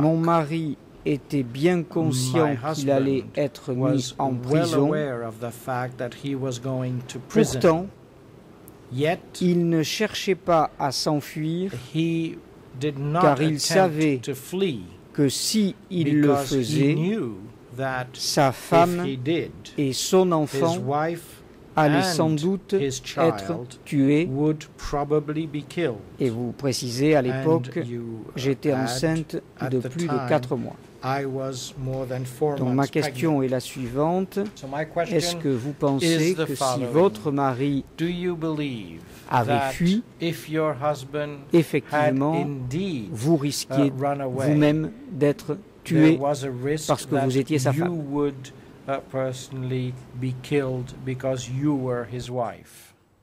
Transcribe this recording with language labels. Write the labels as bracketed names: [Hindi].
[French] Mon mari était bien conscient qu'il allait être mis en prison. [English] Well aware of the fact that he was going to prison. [French] Pourtant, [English] yet, [French] il ne cherchait pas à s'enfuir [English] he did not [French] car il savait [English] to flee [French] que si il le faisait, [English] he knew that [French] sa femme [English] he did, [French] et son enfant [English] his wife [French] allaient sans doute être tués. [English] Would probably be killed. [French] Et vous précisez, à l'époque, j'étais enceinte de plus [English] time, [French] de 4 mois. [English] I was more than 4 [French] donc ma question [English] pregnant. [French] Est la suivante. [English] So my question [French] est-ce que vous pensez que si votre mari [English] do you believe [French] avait [English] that [French] fui, [English] if your husband [French] effectivement, [English] had indeed, [French] vous risquiez [English] run away, [French] vous-même d'être tué parce que vous étiez sa [English] you [French] femme [English] would personally be killed because you were his wife?